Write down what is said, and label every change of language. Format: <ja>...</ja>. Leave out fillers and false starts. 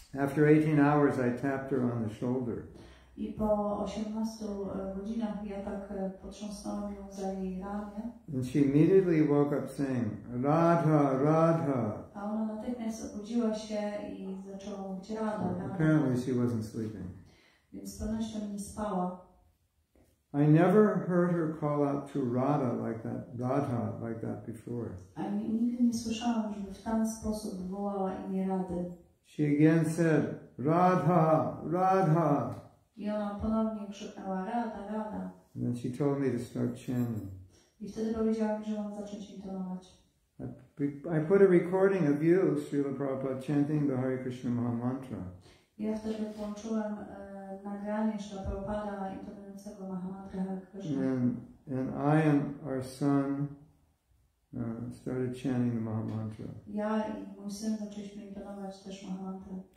<en>After 18 hours I tapped her on the shoulder.</en> <pl>I po 18 godzinach ja tak potrząsnąłem ją za jej ramię.</pl> <en>And she immediately woke up saying, Radha, Radha.</en> <pl>A ona natychmiast obudziła się i zaczęła mówić Radha.</pl> <en>So apparently she wasn't sleeping.</en> <pl>Więc z pewnością nie spała.</pl> <en>I never heard her call out to Radha like that, Radha like that before.</en> <pl>I nigdy nie słyszałam, żeby w ten sposób wołała imię Rady.</pl> <en>She again said, Radha, Radha.</en> <pl>I ona ponownie krzyknęła, Radha, Radha.</pl> <en>And then she told me to start chanting.</en> <pl>I wtedy powiedziała mi, że mam zacząć intonować.</pl> <en>I put a recording of you, Srila Prabhupada, chanting the Hare Krishna Maha Mantra.</en> <pl>Ja wtedy włączyłem nagranie Srila Prabhupada intonującego Maha Mantra Krishna.</pl> <en>And I and our son started chanting the Maha Mantra.</en> <pl>Ja i mój syn zaczęliśmy intonować też Maha Mantra.</pl>